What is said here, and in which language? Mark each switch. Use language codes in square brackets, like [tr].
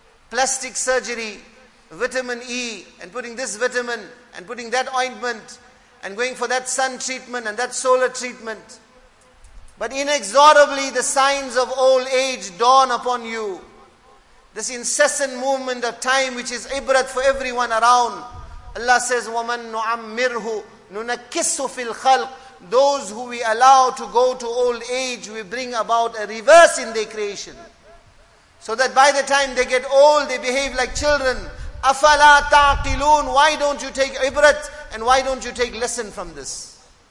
[en] Plastic surgery, vitamin E, and putting this vitamin, and putting that ointment, and going for that sun treatment and that solar treatment. But inexorably the signs of old age dawn upon you. This incessant movement of time, which is ibrat for everyone around. Allah says, [ar] وَمَنْ نُعَمِّرْهُ نُنَكِّسُ فِي الْخَلْقِ. [en] Those who we allow to go to old age, we bring about a reverse in their creation. So that by the time they get old, they behave like children. [ar] أَفَلَا تَعْقِلُونَ. [en] Why don't you take ibrat? And why don't you take lesson from this?